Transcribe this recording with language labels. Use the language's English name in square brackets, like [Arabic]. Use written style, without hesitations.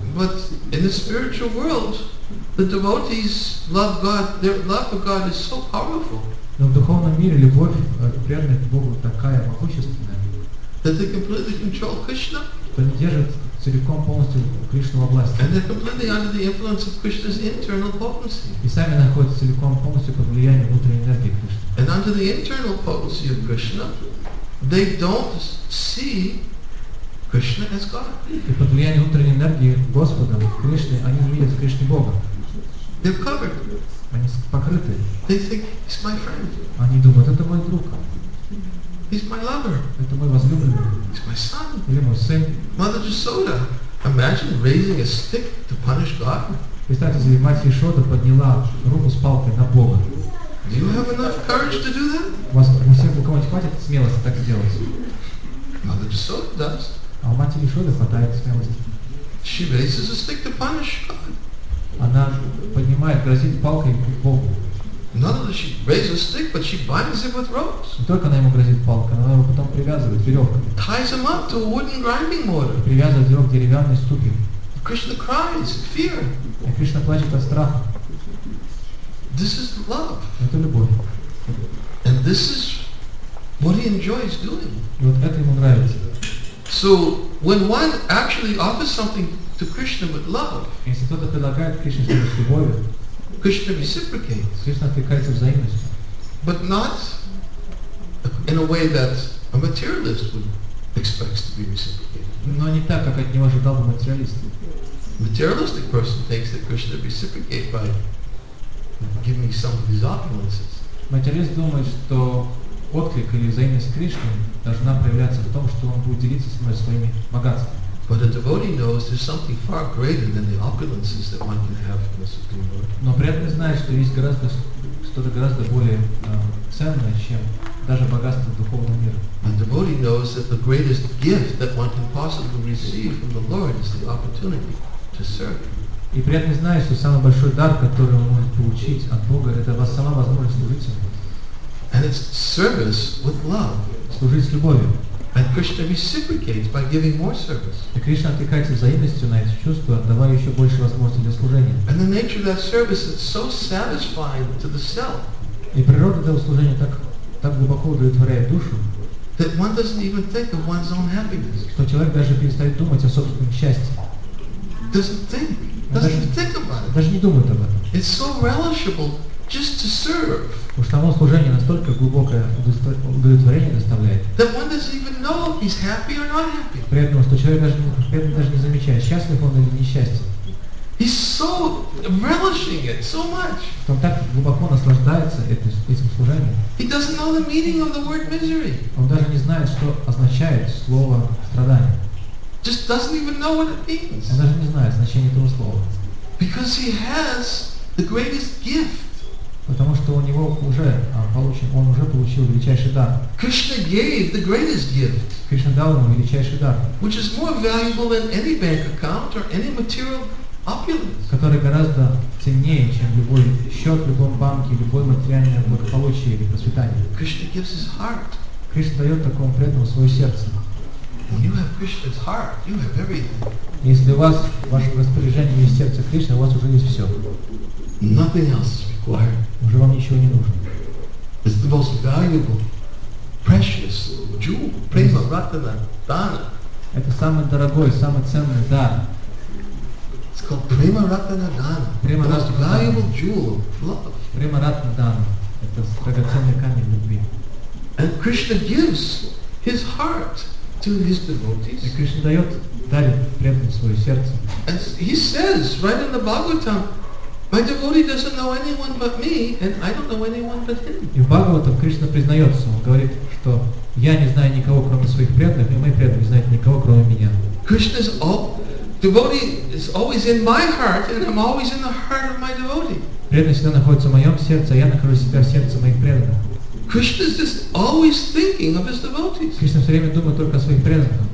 [English] But in the spiritual world, the devotees love God. Their love for God is so powerful. [Russian] Но в духовном мире любовь преданных к Богу такая могущественная. [English] That they completely control Krishna. [Russian] Они держат целиком полностью Кришну во власти. [English] And they're completely under the influence of Krishna's internal potency. [Russian] И сами находятся целиком полностью под влиянием внутренней энергии Кришны. [English] And under the internal potency of Krishna, they don't see Krishna as God. [Russian] И под влиянием внутренней энергии Господа Кришны они не видят Кришны Бога. [English] They're covered. [Russian] Они покрыты. [English] They think he's my friend. [Russian] Они думают, это мой друг. [English] He's my lover. [Russian] Это мой возлюбленный. [English] He's my son. [Russian] Или мой сын. [English] Mother Jasoda, imagine raising a stick to punish God. [Russian] Представьте себе, мать Яшода подняла руку с палкой на Бога. [English] Do you have enough courage to do that? [Russian] У кого-нибудь хватит смелости так сделать? [English] Mother Jasoda does. [Russian] А у матери Яшоды хватает смелости. [English] She raises a stick to punish God. [Russian] Она поднимает, грозит палкой Богу. [English] Not only she raises a stick, but she binds him with ropes. [Russian] Не только она ему грозит палкой, она его потом привязывает веревкой. [English] Ties him up to a wooden grinding mortar. [Russian] Привязывает его к деревянной ступе. [English] Krishna cries in fear. [Russian] И Кришна плачет от страха. [English] This is love. [Russian] Это любовь. [English] And this is what he enjoys doing. [Russian] И вот это ему нравится. [English] So when one actually offers something to Krishna with love. [Russian] Если кто-то предлагает Кришне с любовью. [English] Krishna reciprocates. [Russian] Krishna отвечает взаимностью. [English] But not in a way that a materialist would expect to be reciprocated. [Russian] Но не так, как от него ожидал бы материалист. [English] Materialistic person thinks that Krishna reciprocates by giving some of his opulences. [Russian] Материалист думает, что отклик или взаимность Кришны должна проявляться в том, что он будет делиться со мной своими богатствами. [English] But a devotee knows there's something far greater than the opulences that one can have from the Supreme Lord. [Russian] Но преданный знает, что есть что-то гораздо более ценное, чем даже богатство духовного мира. [English] A devotee knows that the greatest gift that one can possibly receive from the Lord is the opportunity to serve. [Russian] И преданный знает, что самый большой дар, который он может получить от Бога, это сама возможность служить Ему. [English] And it's service with love. [Russian] Служить с любовью. [English] And Krishna reciprocates by giving more service. [Russian] И Кришна отвечает взаимностью на эти чувства, давая еще больше возможностей для служения. [English] And the nature of that service is so satisfying to the self. [Russian] И природа этого служения так глубоко удовлетворяет душу. [English] That one doesn't even think of one's own happiness. [Russian] Что человек даже перестает думать о собственном счастье. [English] Doesn't think about it. [Russian] Не думает об этом. [English] It's so relishable just to serve. [Russian] Уж само служение настолько глубокое удовлетворение доставляет. [English] That one doesn't even know if he's happy or not happy. [Russian] При этом, что человек даже не замечает, счастлив он или несчастен. [English] He's so relishing it so much. [Russian] Он так глубоко наслаждается этим служением. [English] He doesn't know the meaning of the word misery. [Russian] Он даже не знает, что означает слово страдание. [English] Just doesn't even know what it means. [Russian] Он даже не знает значение этого слова. [English] Because he has the greatest gift. [Russian] Потому что у него уже получен, он уже получил величайший дар. [English] Krishna gave the greatest gift. [Russian] Кришна дал ему величайший дар. [English] Which is more valuable than any bank account or any material opulence, [Russian] который гораздо ценнее, чем любой счет в любом банке, любое материальное благополучие или процветание. [English] Krishna gives his heart. [Russian] Кришна дает такому преданному свое сердце. [English] When you have Krishna's heart, you have everything. [Russian] Если у вас в вашем распоряжении есть сердце Кришны, у вас уже есть все. [English] Nothing else is required. [Russian] Уже вам ничего не нужно. [English] It's the most valuable, precious jewel, prema ratana dana. [Russian] Это самый дорогой, самый ценный дар. [English] It's called prema ratana dana. Prema the most valuable jewel of love. [Sanskrit] Prema ratana dana. [Russian] Это драгоценный камень любви. [English] And Krishna gives his heart to his devotees. [Russian] И Кришна дает, дарит преданным свое сердце. [English] And he says right in the Bhagavatam, my devotee doesn't know anyone but me, and I don't know anyone but him. [Russian] И в Бхагаватам Кришна признается, он говорит, что я не знаю никого кроме своих преданных, и мои преданные не знают никого кроме меня. [English] Krishna's all, devotee is always in my heart, and I'm always in the heart of my devotee. [Russian] Преданный всегда находится в моем сердце, а я нахожусь всегда в сердце моих преданных. [English] Krishna is just always thinking of his devotees. [Russian] Кришна все время думает только о своих преданных.